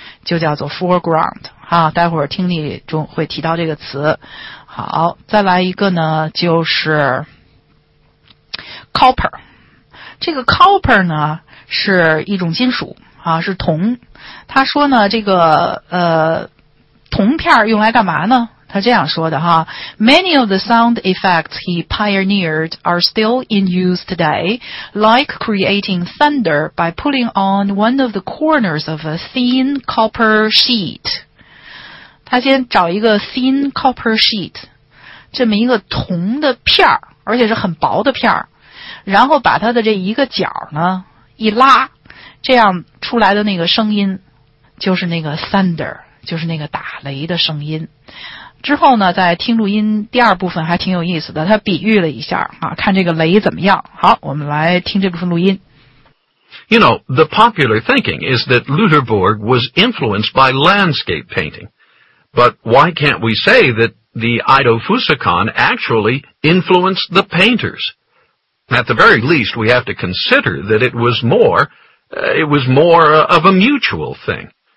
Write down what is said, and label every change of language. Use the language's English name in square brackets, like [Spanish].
[Chinese] 就叫做 foreground 啊。待会儿听力中会提到这个词。好，再来一个呢，就是 copper。 这个 copper 呢是一种金属啊，是铜。他说呢，这个铜片用来干嘛呢？他这样说的哈， [English] Many of the sound effects he pioneered are still in use today, like creating thunder by pulling on one of the corners of a thin copper sheet. [Chinese] 他先找一个 [English] thin copper sheet， [Chinese] 这么一个铜的片，而且是很薄的片，然后把它的这一个角呢一拉，这样出来的那个声音就是那个 thunder， 就是那个打雷的声音。之后呢，在听录音第二部分还挺有意思的，他比喻了一下啊，看这个雷怎么样。好，我们来听这部分录音。 [English] You know, the popular thinking is that Lüderburg was influenced by landscape painting. But why can't we say that the Ido Fusakon actually influenced the painters? At the very least, we have to consider that it was more of a mutual thing.